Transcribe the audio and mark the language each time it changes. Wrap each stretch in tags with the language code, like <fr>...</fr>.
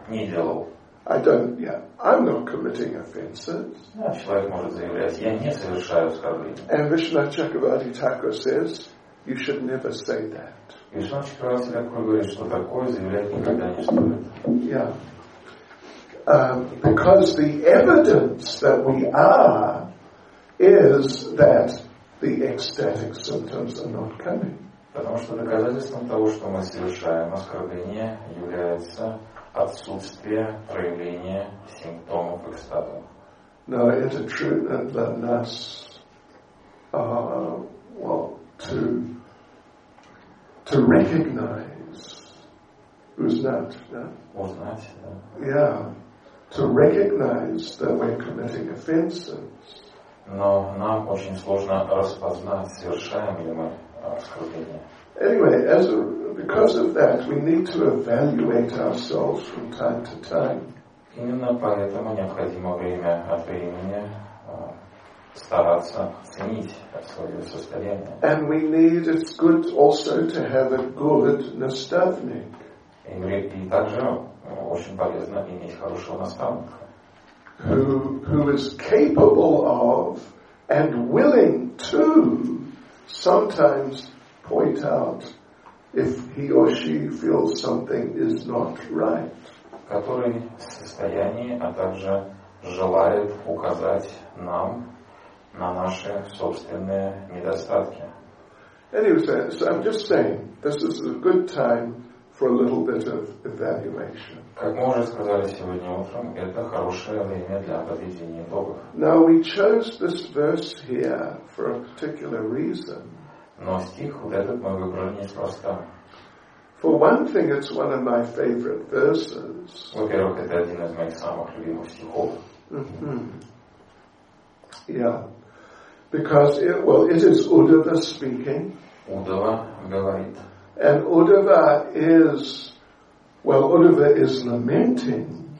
<ru>Не делал.</ru> <en>I'm not committing offenses.</en> <ru>Человек может заявлять, я не совершаю оскорбления.</ru> <en>And Вишвамахачакравати Такура says, you should never say that.</en> <ru>Вишвамахачакравати Такура говорит, что такое заявлять никогда не стоит.</ru> <en>Yeah. Because the evidence that we are is that the ecstatic symptoms are not coming.</en> <ru>Потому что доказательством того, что мы совершаем оскорбление, является отсутствие проявления симптомов экстаза.</ru> <en>No, it's true that the nas, to recognize,</en> <ru>Узнать, да.</ru> <en>Yeah, to recognize that we're committing offenses.</en> <ru>Но нам очень сложно распознать, совершаем ли мы оскорбление.</ru> <en>Anyway, because of that, we need to evaluate ourselves from time to time.</en> <ru>Именно поэтому необходимо время от времени стараться оценить свое состояние.</ru> <en>And we need, it's good also to have a good наставник.</en> <ru>И также очень полезно иметь хорошего наставника.</ru> <en>Who is capable of and willing to sometimes point out if he or she feels something is not right.</en> <ru>Который в состоянии, а также желает указать нам на наши собственные недостатки.</ru> <en>Anyway, so I'm just saying, this is a good time for a little bit of evaluation.</en> <ru>Как мы уже сказали сегодня утром, это хорошее время для подведения итогов.</ru> <en>Now we chose this verse here for a particular reason.</en> <ru>Но стих вот этот мы выбрали неспроста.</ru> <en>For one thing, it's one of my favorite verses.</en> <ru>Во-первых, это один из моих самых любимых стихов.</ru> <en>Mm-hmm. Yeah. Because it is Uddhava speaking.</en> <ru>Uddhava говорит.</ru> <en>And Uddhava is, Uddhava is lamenting.</en>